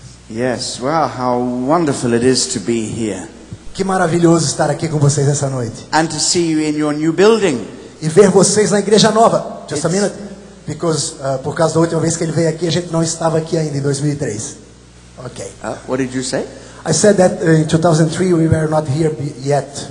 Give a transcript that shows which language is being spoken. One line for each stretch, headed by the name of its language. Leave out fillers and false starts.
English: Yes, well, how wonderful it is to be here.
Portuguese: Que maravilhoso estar aqui com vocês essa noite.
English: And to see you in your new building.
Portuguese: E ver vocês na igreja nova.
English: Just a minute, because
Portuguese: por causa da última vez que ele veio aqui, a gente não estava aqui ainda em 2003. Okay.
English: What did you say? I said that in 2003 we were not here yet.